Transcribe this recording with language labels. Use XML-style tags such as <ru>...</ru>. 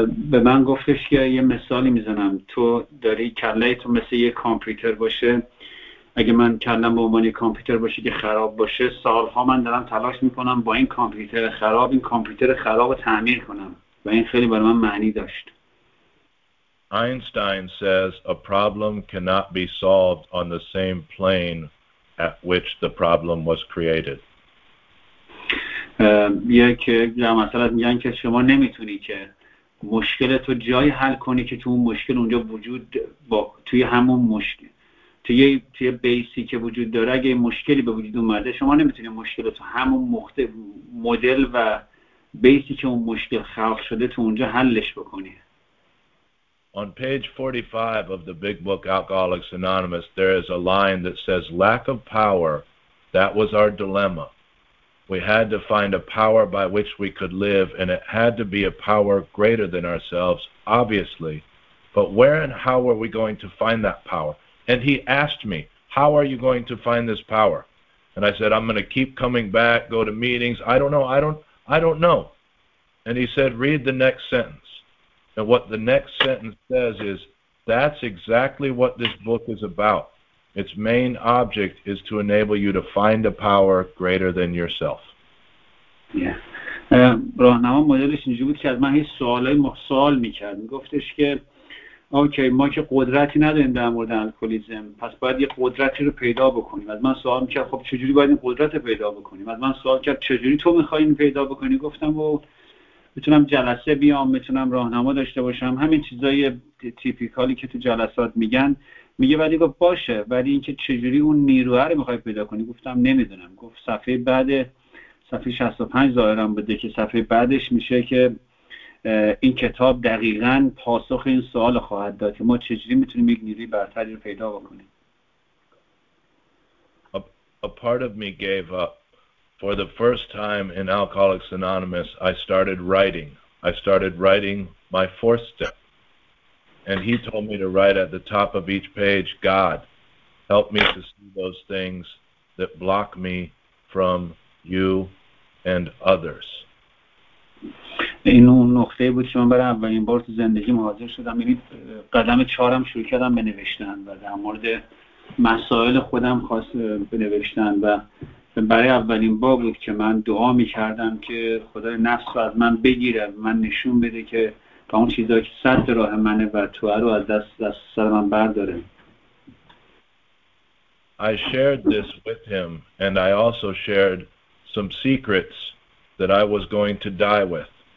<fa>به من گفتش که یه مثالی میزنم، تو داری کله تو مثل یه کامپیوتر باشه، اگه من کلم به عنوان یه کامپیوتر باشه که خراب باشه، سالها من دارم تلاش میکنم با این کامپیوتر خراب رو تعمیر کنم و این خیلی برای من معنی داشت.</fa> <en>Einstein says a problem cannot be solved on the same plane at which the problem was created.</en> <fa>یه که مثلا میگن که شما نمیتونی که مشکلت رو جایی حل کنی که تو اون مشکل اونجا وجود با توی همون مشکل توی بیسی که وجود داره اگه مشکلی به وجود اومده شما نمیتونی مشکلت رو همون مدل و بیسی که اون مشکل خلق شده تو اونجا حلش بکنی.</fa> <en>On page 45 of the big book Alcoholics Anonymous, there is a line that says, lack of power, that was our dilemma. We had to find a power by which we could live, and it had to be a power greater than ourselves, obviously. But where and how were we going to find that power? And he asked me, how are you going to find this power? And I said, I'm going to keep coming back, go to meetings. I don't know. And he said, read the next sentence. And what the next sentence says is, that's exactly what this book is about. Its main object is to enable you to find a power greater than yourself. Yeah.</en> <fa>راهنما مدلش اینجوری بود که از من هیچ سوالی سوال می‌کرد. می‌گفتش که اوکی ما که قدرتی نداریم در مورد الکلیسم، پس باید یه قدرتی رو پیدا بکنیم. از من سوال می‌کرد خب چجوری باید این قدرت رو پیدا بکنیم؟ از من سوال کرد چجوری تو می‌خوای این پیدا بکنی؟ گفتم و میتونم جلسه بیام، میتونم راهنما داشته باشم، همین چیزای تیپیکالی که تو جلسات میگن. میگه ولی گفت باشه، ولی اینکه چجوری اون نیروه رو میخوای پیدا کنی؟ گفتم نمیدونم. گفت صفحه بعد، صفحه 65 ظاهرا بوده که صفحه بعدش میشه که این کتاب دقیقاً پاسخ این سوال خواهد داد که ما چجوری میتونیم یک نیروی برتری رو پیدا بکنیم.</fa> <en>A part of me gave up. For the first time in Alcoholics Anonymous, I started writing. I started writing my fourth step. And he told me to write at the top of each page, God, help me to see those things that block me from you and others.</en> <fa>این اون نقطه بود که من برای اولین بار تو زندگیم حاضر شدم. یعنی قدم چهارم شروع کردم بنوشتن و در مورد مسائل خودم خواست بنوشتن و برای اولین بار بود که من دعا می‌کردم که خدای نفس رو از من بگیره، من نشون بده که با اون چیزایی که سد راه منه و تو رو از دست سر من برداره.</fa> <en>I shared this with him and I also shared some secrets that I was going to die with.</en>